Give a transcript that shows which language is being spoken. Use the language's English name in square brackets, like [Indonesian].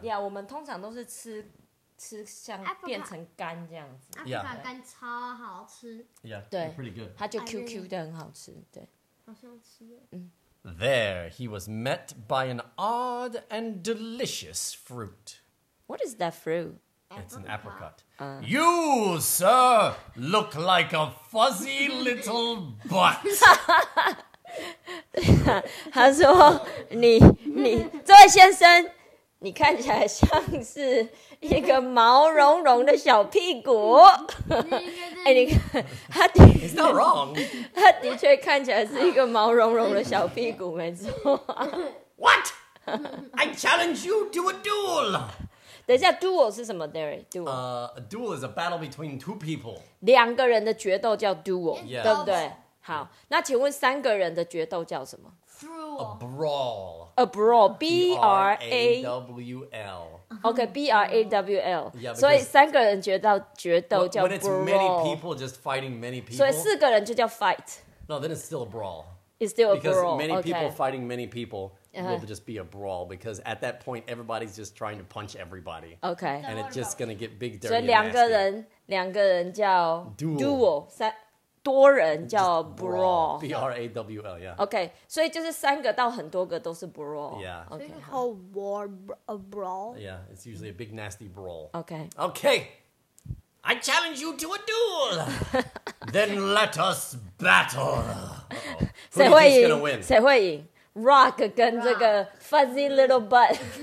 [Chinese] Yeah， 我们通常都是吃像变成干这样子。 Apricot 干超好吃。 [English] Yeah， [Chinese] 对 [English] ，pretty good。 [Chinese] 它就 QQ 的很好吃，对。好想吃。 [English] There he was met by an odd and delicious fruit. What is that fruit? It's an apricot. You, sir, look like a fuzzy little butt. [Chinese] 他说：“你，这位先生，你看起来像是一个毛茸茸的小屁股。哎，你看，他的确 [English] ，It's not wrong. [Chinese] 他的确看起来是一个毛茸茸的小屁股，没错。 [English] What? I challenge you to a duel.” [Chinese] 等一下 ，duel 是什么 ，Derry？ [English] Duel. Duel is a battle between two people. [Chinese] 两个人的决斗叫 duel，、 [English] yeah. [Chinese] 对不对？好，那请问三个人的决斗叫什么 [English] ？Through a brawl. A brawl. B R A W L. OK, B R A W L. Yeah. [Chinese] 所以三个人决斗叫 [English] brawl. When it's many people just fighting many people. [Chinese] 所以四个人就叫 fight. [English] No, then it's still a brawl. It's still a brawl. Because many people fighting many people will just be a brawl. Because at that point, everybody's just trying to punch everybody. Okay. And it's just gonna get big, dirty. [Chinese] 所以两个人叫 [English] duel [Chinese] 三。多人叫 brawl, [English] b r a w l, yeah. [Chinese] Okay, 所以就是三个到很多个都是 brawl. [English] Yeah. Okay. So it's called a brawl. Yeah, it's usually a big nasty brawl. Okay. Okay. I challenge you to a duel. Then let us battle. Who's gonna win? [Chinese] 谁会赢 ？Rock 跟这个 [English] fuzzy little butt.